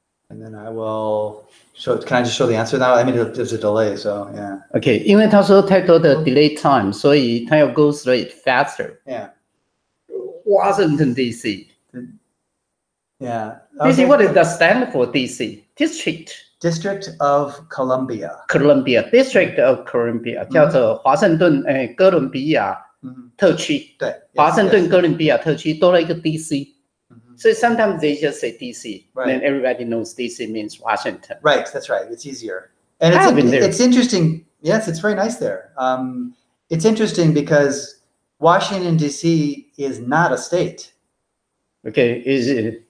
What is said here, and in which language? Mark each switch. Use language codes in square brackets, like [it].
[en] And then I will show, can I just show the answer now? I mean, there's a delay, so yeah. [zh] Okay, 因为他说太多的 delay time, 所以他要 [en] go through it faster. Yeah. Washington, D.C. Yeah. Okay. DC, what does that stand for, DC? District. District of Columbia. Columbia. District of Columbia. [zh] 叫做华盛顿，诶，哥伦比亚特区。对。华盛顿哥伦比亚特区多了一个 DC。 [en] So sometimes they just say DC, right. And everybody knows DC means Washington. Right, that's right. It's easier. And it's, I've been there. It's interesting. Yes, it's very nice there. It's interesting because Washington, DC is not a state. Okay, is it?